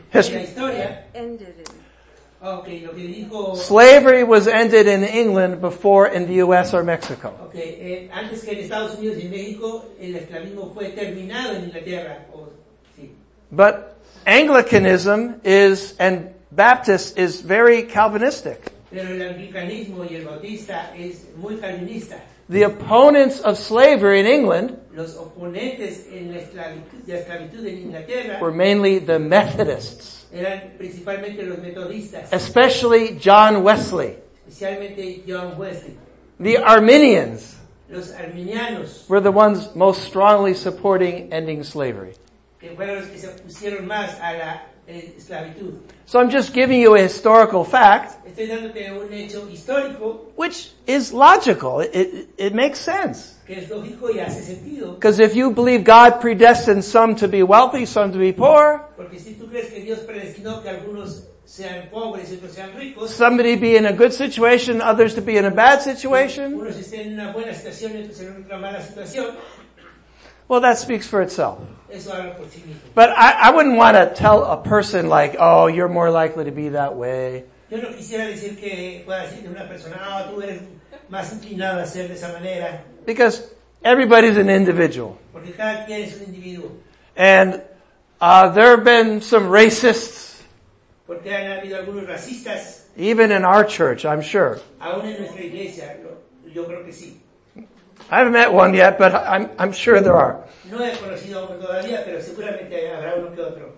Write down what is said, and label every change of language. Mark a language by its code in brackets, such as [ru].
[en] Slavery was ended in England before in the U.S. or Mexico. [es] Okay, antes que en Estados Unidos y México, el esclavismo fue terminado en Inglaterra. [en] But Anglicanism is, and Baptist is very Calvinistic. [es] Pero el anglicanismo y el bautista es muy calvinista. [en] The opponents of slavery in England [es] los oponentes en la esclavitud en Inglaterra [en] were mainly the Methodists. [es] Eran principalmente los metodistas. [en] Especially John Wesley. [es] Especialmente John Wesley. [en] The Arminians [es] los arminianos [en] were the ones most strongly supporting ending slavery. [es] Que fueron los que se opusieron más a la esclavitud. [en] So I'm just giving you a historical fact. [es] Estoy dándote un hecho histórico, [en] which is logical. It makes sense. [es] Que es lógico y hace sentido. [en] Because if you believe God predestined some to be wealthy, some to be poor, [es] porque si tú crees que Dios predestinó que algunos sean pobres y otros sean ricos, [en] somebody be in a good situation, others to be in a bad situation, [es] unos estén en una buena situación y otros en una mala situación. [en] Well, that speaks for itself. [es] Eso habla por sí mismo. [en] But I wouldn't want to tell a person like, oh, you're more likely to be that way. [es] Yo no quisiera decir que pueda decirte una persona, oh, tú eres más inclinado a ser de esa manera. [en] Because everybody's an individual. [es] Porque cada quien es un individuo. [en] And there have been some racists. [es] Porque han habido algunos racistas. [en] Even in our church, I'm sure. [es] Aún en nuestra iglesia, yo creo que sí. [en] I haven't met one yet, but I'm sure there are. [es] No he conocido a uno todavía, pero seguramente habrá uno que otro.